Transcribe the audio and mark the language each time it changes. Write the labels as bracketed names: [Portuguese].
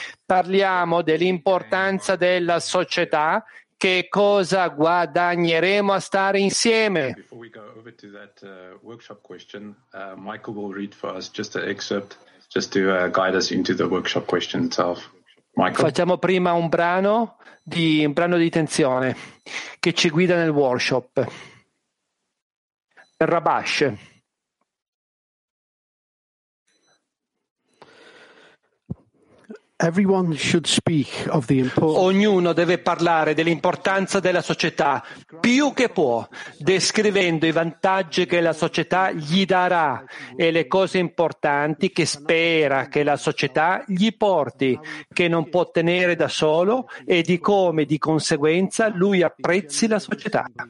[Italian] Parliamo dell'importanza della società, che cosa guadagneremo a stare insieme? [English] To that workshop question, Michael will read for us just an excerpt just to guide us into the workshop question itself. Michael. [Italian] Facciamo prima un brano di tensione che ci guida nel workshop. Rabash. [English] Everyone should speak of the importance. [Italian] Ognuno deve parlare dell'importanza della società più che può, descrivendo i vantaggi che la società gli darà e le cose importanti che spera che la società gli porti, che non può tenere da solo e di come di conseguenza lui apprezzi la società.